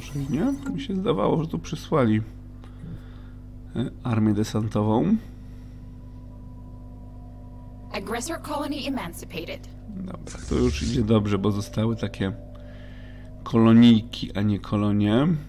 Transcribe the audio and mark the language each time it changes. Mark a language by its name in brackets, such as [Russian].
[Polish] Nie? Mi się zdawało, że tu przysłali armię desantową. [English] Aggressor colony emancipated. [Polish] Dobra, to już idzie dobrze, bo zostały takie kolonijki, a nie kolonie.